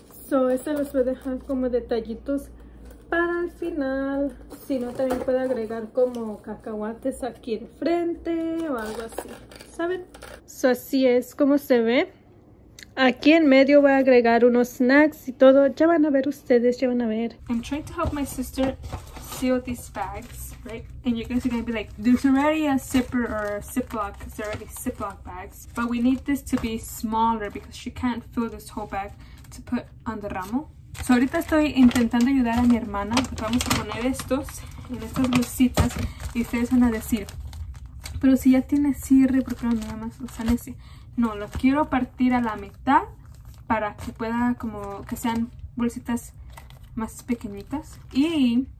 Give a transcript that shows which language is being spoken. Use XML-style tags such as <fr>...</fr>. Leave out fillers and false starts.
<es>So, estas las voy a dejar como detallitos para el final. Si no, también puedo agregar como cacahuates aquí en frente o algo así, ¿saben? So, así es como se ve. Aquí en medio voy a agregar unos snacks y todo. Ya van a ver ustedes, ya van a ver.</es> <en>I'm trying to help my sister seal these bags. Right? And you guys are going to be like, there's already a zipper or a Ziploc, because they're already Ziploc bags. But we need this to be smaller because she can't fill this whole bag to put on the ramo.</en> <es>So ahorita estoy intentando ayudar a mi hermana. Vamos a poner estos en estas bolsitas y ustedes van a decir, pero si ya tiene cierre, ¿por qué no nada más usan ese? No, lo quiero partir a la mitad para que pueda como que sean bolsitas más pequeñitas. Y...</es>